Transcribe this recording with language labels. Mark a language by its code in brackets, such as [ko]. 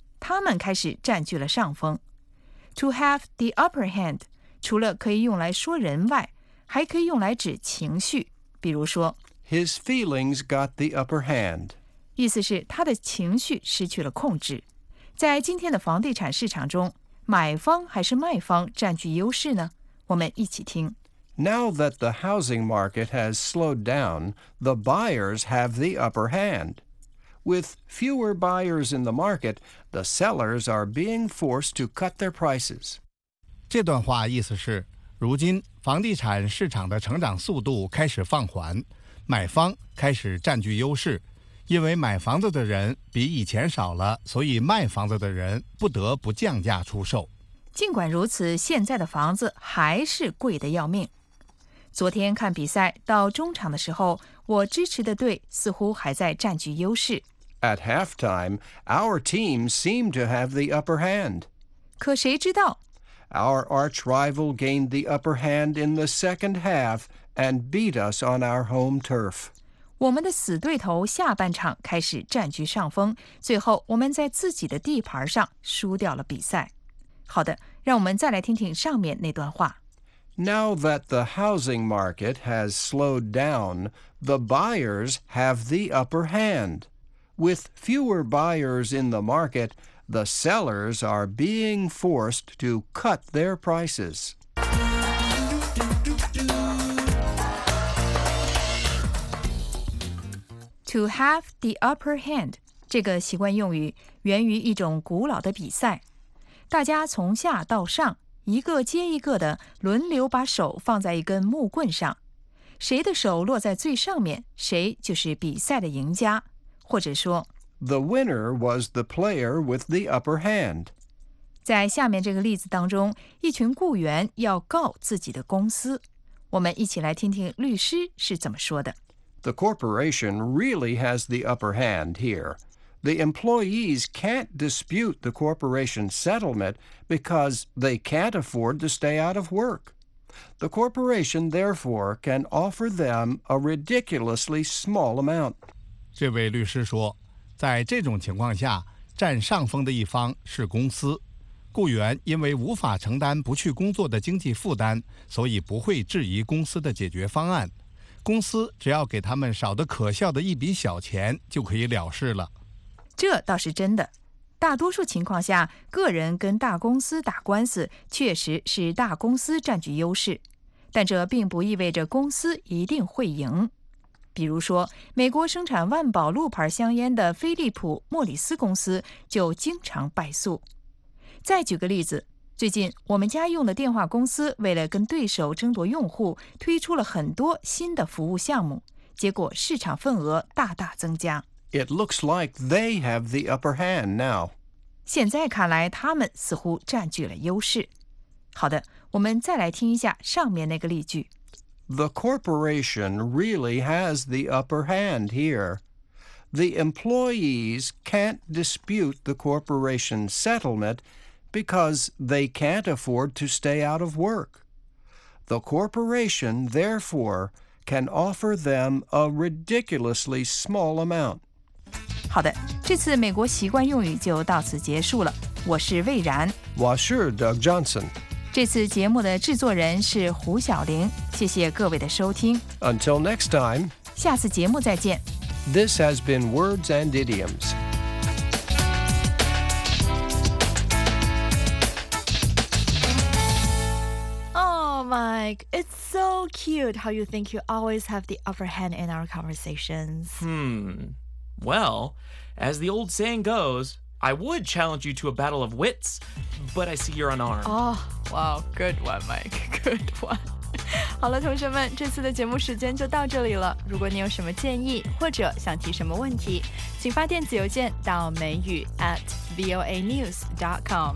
[zh] 他们开始占据了上风。 [en] To have the upper hand [zh] 除了可以用来说人外，还可以用来指情绪，比如说 [en] His feelings got the upper hand [zh] 意思是他的情绪失去了控制。在今天的房地产市场中，买方还是卖方占据优势呢？我们一起听。 [en] Now that the housing market has slowed down, the buyers have the upper hand. With fewer buyers in the market, the sellers are being forced to cut their prices. [zh] 这段话意思是，如今房地产市场的成长速度开始放缓，买方开始占据优势。因为买房子的人比以前少了，所以卖房子的人不得不降价出售。尽管如此，现在的房子还是贵得要命。昨天看比赛，到中场的时候，我支持的队似乎还在占据优势。 [en] At halftime, our team seemed to have the upper hand. [zh] 可谁知道? [en] Our arch rival gained the upper hand in the second half and beat us on our home turf. [zh] 我们的死对头下半场开始占据上风，最后我们在自己的地盘上输掉了比赛。好的，让我们再来听听上面那段话。 [en] Now that the housing market has slowed down, the buyers have the upper hand. With fewer buyers in the market, the sellers are being forced to cut their prices. To have the upper hand, [zh] 这个习惯用语源于一种古老的比赛。大家从下到上一个接一个的轮流把手放在一根木棍上，谁的手落在最上面，谁就是比赛的赢家。或者说 [en] ，The winner was the player with the upper hand。 [zh] 在下面这个例子当中，一群雇员要告自己的公司，我们一起来听听律师是怎么说的。 [en] The corporation really has the upper hand here. The employees can't dispute the corporation's settlement because they can't afford to stay out of work. The corporation, therefore, can offer them a ridiculously small amount. [zh] 这位律师说，在这种情况下，占上风的一方是公司。雇员因为无法承担不去工作的经济负担，所以不会质疑公司的解决方案。公司只要给他们少得可笑的一笔小钱就可以了事了。这倒是真的，大多数情况下，个人跟大公司打官司确实是大公司占据优势，但这并不意味着公司一定会赢。比如说，美国生产万宝路牌香烟的菲利普·莫里斯公司就经常败诉。再举个例子，最近我们家用的电话公司为了跟对手争夺用户，推出了很多新的服务项目，结果市场份额大大增加。 [en] It looks like they have the upper hand now. [zh] 现在看来他们似乎占据了优势。好的，我们再来听一下上面那个例句。 [en] The corporation really has the upper hand here. The employees can't dispute the corporation's settlement because they can't afford to stay out of work. The corporation, therefore, can offer them a ridiculously small amount. [zh] 好的，这次美国习惯用语就到此结束了。我是魏然，我是 Doug Johnson。这次节目的制作人是胡晓玲，谢谢各位的收听。 [en] Until next time， [zh] 下次节目再见。 [en] This has been Words and Idioms。 Mike, it's so cute how you think you always have the upper hand in our conversations. Well, as the old saying goes, I would challenge you to a battle of wits, but I see you're unarmed. Oh, wow. Good one, Mike. Good one. [zh] 好了，同学们，这次的节目时间就到这里了。如果你有什么建议或者想提什么问题，请发电子邮件到美语@voanews.com.